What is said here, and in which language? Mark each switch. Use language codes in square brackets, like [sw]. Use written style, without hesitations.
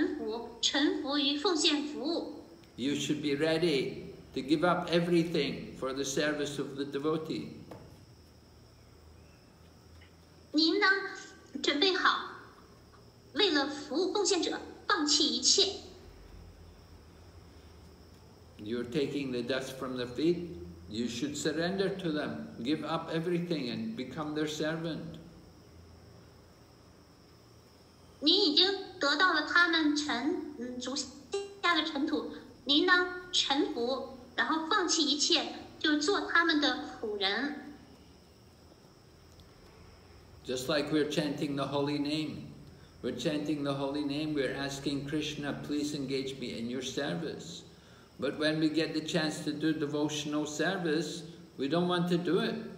[zh] 所以您应当也想要善加利用这些莲花族的尘土，这个意思就是说，您要停止那些不好的事儿，胡作非为，然后全然的臣服于奉献服务。 [en] You should be ready to give up everything for the service of the devotee. [zh] 您呢，准备好。为了服务贡献者，放弃一切。 [en] You're taking the dust from the feet, you should surrender to them, give up everything and become their servant. [zh] 您已经得到了他们足下的尘土，您当臣服，然后放弃一切，就做他们的仆人。 [en] Just like we're chanting the holy name. We're chanting the holy name, we're asking Krishna, please engage me in your service. But when we get the chance to do devotional service, we don't want to do it.